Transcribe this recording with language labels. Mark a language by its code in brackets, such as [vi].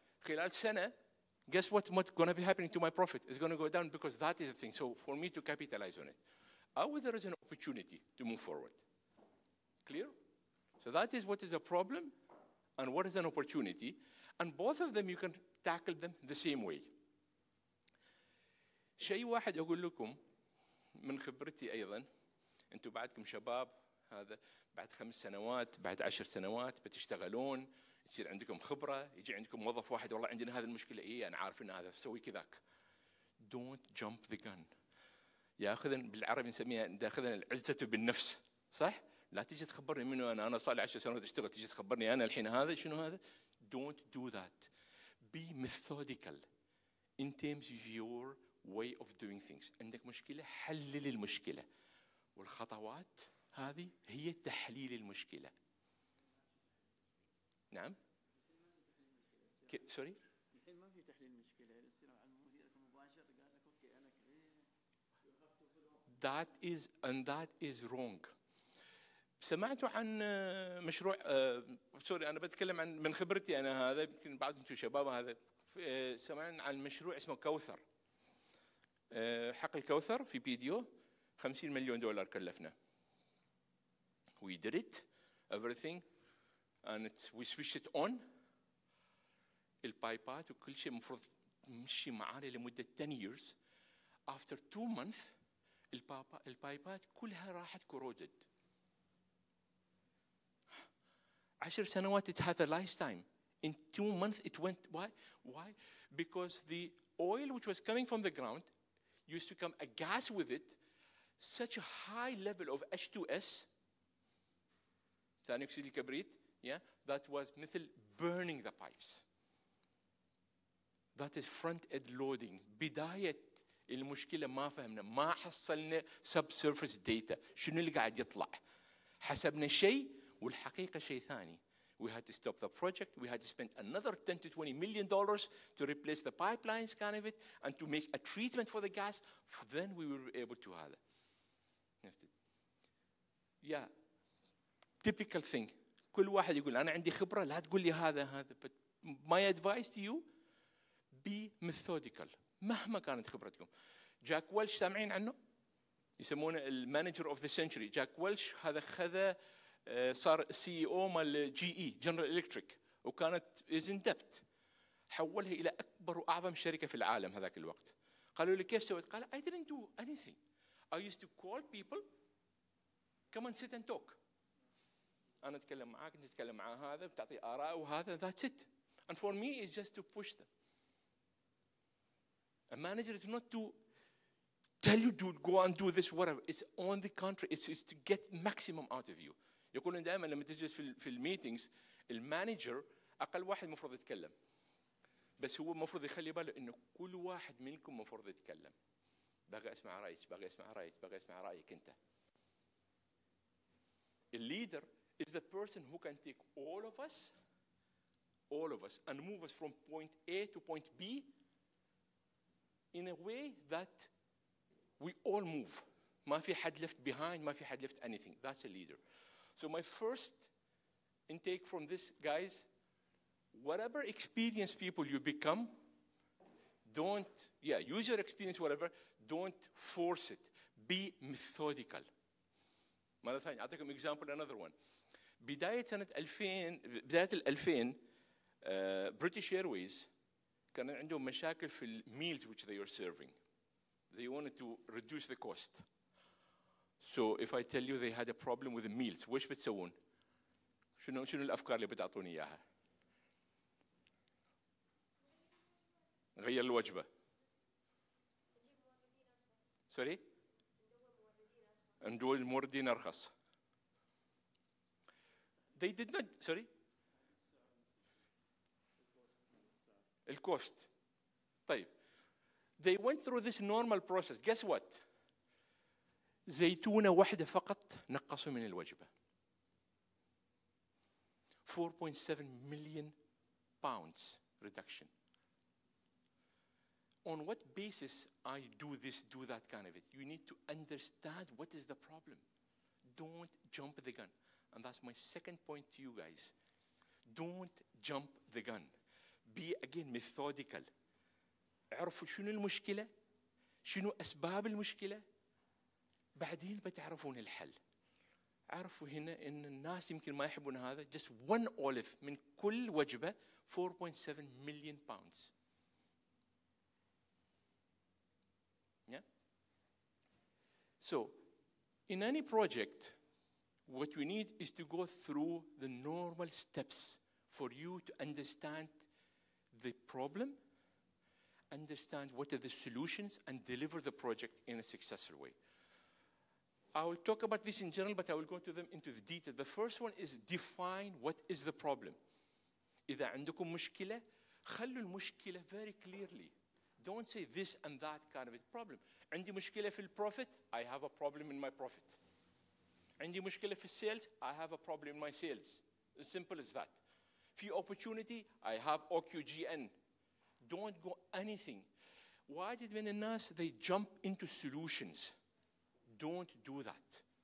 [ar] خلال سنة, [en] guess what going to be happening to my profit? It's going to go down because that is the thing. So for me to capitalize on it, however, there is an opportunity to move forward. Clear? So that is what is a problem and what is an opportunity. And both of them, you can tackle them the same way. [ar] شيء واحد أقول لكم من خبرتي أيضاً, أنتوا بعدكم شباب, هذا بعد 5 سنوات, بعد 10 سنوات بتشتغلون, يصير عندكم خبرة, يجي عندكم موظف واحد, والله عندنا هذه المشكلة, إيه أنا عارف إن هذا سوي كذاك. [en] Don't jump the gun. [ar] ياخذ بالعربي نسميها داخذن العزة بالنفس, صح؟ لا تيجي تخبرني منه أنا صار لي 10 سنوات أشتغل, تيجي تخبرني أنا الحين هذا شنو هذا. [en] Don't do that. Be methodical in terms of your way of doing things. [ar] عندك مشكلة, حلل المشكلة, والخطوات هذه هي تحليل المشكلة. نعم. سوري. الحين ما في تحليل مشكلة. السلام على المدير مباشر قال لك أوكي أنا كذي. [en] That is and that is wrong. [ar] سمعت عن مشروع سوري أنا بتكلم عن من خبرتي أنا, هذا يمكن بعض أنتم شباب هذا سمعنا عن مشروع اسمه كوثر. حق الكوثر في بيديو $50 million كلفنا. [en] We did it, everything, and it's, we switched it on. The pipette and [ar] كل شيء مفروض مشي معاني لمدة 10 [en] years. After 2 months, the pipette [ar] كلها راحت [en] corroded. [ar] 10 سنوات [en] it had a lifetime. In 2 months it went. Why? Why? Because the oil which was coming from the ground used to come a gas with it, such a high level of H2S, [ar] ثاني أكسيد الكبريت, [en] yeah, that was [ar] مثل [en] burning the pipes. That is front-end loading. [ar] بداية المشكلة ما فهمنا, ما حصلنا subsurface data. شنو اللي قاعد يطلع؟ حسبنا شيء والحقيقة شيء ثاني. [en] We had to stop the project. We had to spend another $10 to $20 million to replace the pipelines kind of it and to make a treatment for the gas. Then we were able to have it. Yeah, typical thing. [ar] كل واحد يقول أنا عندي خبرة, لا تقول لي هذا هذا. [en] But my advice to you, be methodical. [ar] مهما كانت خبرتكم. جاك ويلش سامعين عنه؟ يسمونه [en] the manager of the century. [ar] جاك ويلش هذا خذا صار CEO مال GE General Electric وكانت [en] is in debt. [ar] حولها إلى أكبر وأعظم شركة في العالم هذاك الوقت. قالوا لي كيف سويت؟ قال [en] I didn't do anything. I used to call people, come and sit and talk. [ar] أنا أتكلم معاك, أنت تتكلم مع هذا, بتعطي آراء وهذا, [en] that's it. And for me it's just to push them. A manager is not to tell you to go and do this whatever. It's on the contrary. It's to get maximum out of you. [ar] يقولون دائما لما تجلس في الميتينجز المانجر اقل واحد مفروض يتكلم, بس هو مفروض يخلي باله انه كل واحد منكم مفروض يتكلم. باغي اسمع رايك, باغي اسمع رايك, باغي اسمع رايك انت. الليدر [en] is the person who can take all of us and move us from point A to point B in a way that we all move. [ar] ما في حد [en] left behind, ما في حد left anything. That's a leader. So my first intake from this, guys, whatever experienced people you become, use your experience, whatever, don't force it. Be methodical. [ar] مرة ثانية, [en] I'll take an example, another one. [ar] بداية سنة 2000, بداية 2000, British Airways كان عندهم مشاكل في الميلز [en] which they were serving. They wanted to reduce the cost. So if I tell you they had a problem with the meals, which would you do? [ar] شنو الأفكار اللي بتعطوني إياها؟ غير الوجبة. [en] Sorry. And do the [ar] موردين أرخص. [en] They did not. Sorry. The cost. [ar] طيب. [en] They went through this normal process. Guess what? [ar] زيتونة واحدة فقط نقصوا من الوجبة. [en] 4.7 million pounds reduction. On what basis I do this, do that kind of it? You need to understand what is the problem. Don't jump the gun. And that's my second point to you guys. Don't jump the gun. be again methodical. [ar] اعرفوا شنو المشكلة، شنو أسباب المشكلة، بعدين بتعرفون الحل. عرفوا هنا إن الناس يمكن ما يحبون هذا. [en] Just one olive [ar] من كل وجبة [en] 4.7 million pounds. So, in any project, what we need is to go through the normal steps for you to understand the problem, understand what are the solutions, and deliver the project in a successful way. I will talk about this in general, but I will go to them into the detail. The first one is define what is the problem. [ar] إذا عندكم مشكلة, خلوا المشكلة [en] very clearly. Don't say this and that kind of a problem. [ar] عندي مشكلة في البروفيت, [en] I have a problem in my profit. [ar] عندي مشكلة في السيلز, [en] I have a problem in my sales. As simple as that. في opportunity, I have OQGN. Don't go anything. [ar] واجد من الناس, [en] they jump into solutions. Don't do that.